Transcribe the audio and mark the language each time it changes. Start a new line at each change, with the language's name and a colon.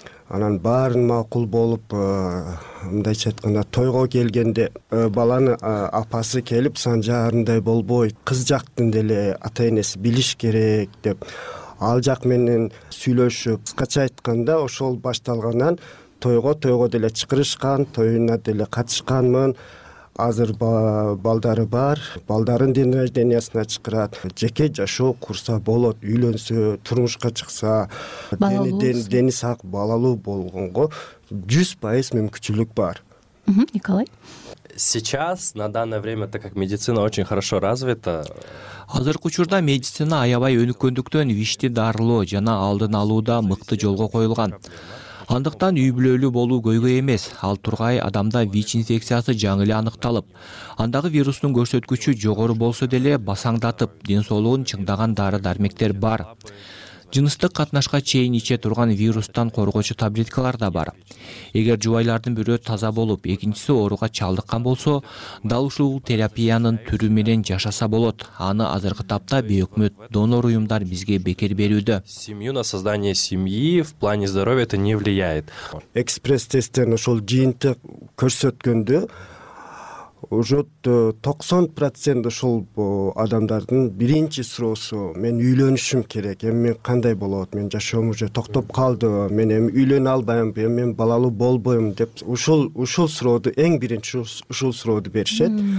Kyrgyz: анан баарын макул болуп, мындайча айтканда тойго келгенде баланын апасы келип, Санжарындай болбой, кыз жактын деле ата-энеси билиш керек деп ал жак менен сүйлөшүп, кыскача айтканда ошол башталганан тойго деле чыгырышкан, тоюна деле катышканмын. Азыр балдары бар, балдарын ден рождениясына чакырат, жеке жашоо курса болот, үйлөнсө, турмушка чыкса, дени сак балалуу болгонго 100% мүмкүнчүлүк бар. Николай.
Russian: Сейчас, на данное время, так как медицина очень хорошо развита.
Kyrgyz: Азыркы учурда медицина аябай өнүккөндүктөн ВИЧ-ти дарылоо жана алдын алууда мыкты жолго коюлган. Андыктан үй-бүлөлүү болуу көйгөй эмес. Ал тургай адамда ВИЧ инфекциясы жаңы эле аныкталып, андагы вирустун көрсөткүчү жогору болсо деле басаңдатып, ден соолугун чыңдаган дары-дармектер бар. Жыныстык катнашка чейин иче турган вирустан коргоочу таблеткалар да бар. Эгер жубайлардын бирөө таза болуп, экинчиси ооруга чалдыккан болсо, дал ушул терапиянын түрү менен жашаса болот. Аны азыркы тапта бейөкмөт донор уюмдар бизге бекер берүүдө.
Russian: Семью на создание семьи в плане здоровья это не влияет.
Kyrgyz: Экспресс-тесттен ошол жыйынтык көрсөткөндө уже 90% ошол адамдардын биринчи суроосу мен үйлөнүшүм керек, эми кандай болот, мен жашоом уже токтоп калды, мен эми үйлөнө албаймынбы, эми мен балалуу болбойм деп ушул суроону эң биринчи ушул суроону беришет.